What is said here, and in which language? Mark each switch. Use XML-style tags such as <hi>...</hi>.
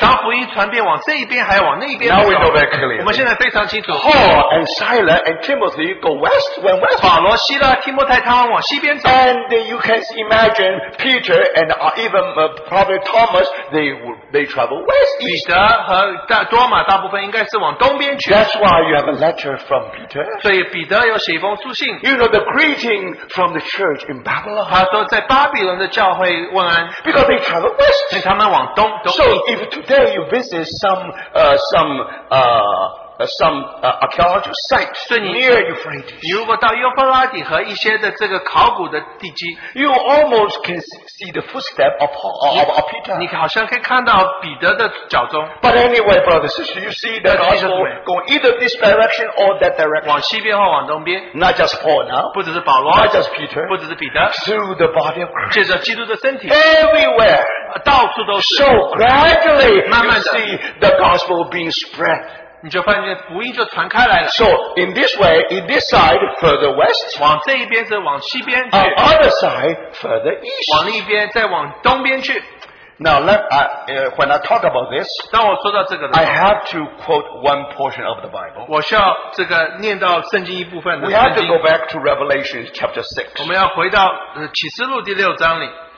<zh>当福音传遍往这一边还往那边,</zh> <en>now we know very clearly,</en> <zh>我们现在非常清楚,</zh> <en>Paul and Silas and Timothy go west, went west,</en> <zh>保罗希拉, 提摩太,</zh> <en>and you can imagine Peter and even probably Thomas, they travel west.</en> <zh>彼得和多马大部分应该是往东边去。</zh> <en>That's why you have a letter from Peter.</en> <zh>所以彼得有写一封书信。</zh> <en>You know the greeting from the church in Babylon.</en> <zh>他说在巴比伦的教会问安。</zh> <en>Because they travel west.</en> <zh>所以他们往东。</zh> <en>So if today you visit some archaeological sites near Euphrates.</en> <zh>你如果到约弗拉底和一些的这个考古的地基,</zh> <en>you almost can see the footstep of Peter.</en> <zh>你好像可以看到彼得的脚踪.</zh> <en>But anyway, brothers and sisters, you see the gospel going either this direction or that direction.</en> <zh>往西边或往东边.</zh> <en>Not just Paul now.</en> <zh>不只是保罗.</zh> <en>Not just Peter.</en> <zh>不只是彼得.</zh> <en>Through the body of Christ.</en> <zh>借着基督的身体.</zh> <en>Everywhere.</en> <zh>到处都是.</zh> <en>So gradually,</en> <zh>慢慢的,</zh> <en>you see the gospel being spread. So, in this way, in this side, further west. On other side, further east.</en> <zh>往另一边,再往东边去。</zh> <en>Now, when I talk about this,</en> <zh>当我说到这个的时候,</zh> <en>I have to quote one portion of the Bible.</en> <zh>我需要这个念到圣经一部分的圣经。</zh> <en>We have to go back to Revelation chapter 6.</en> <zh>我们要回到, 启示录第六章里。</zh>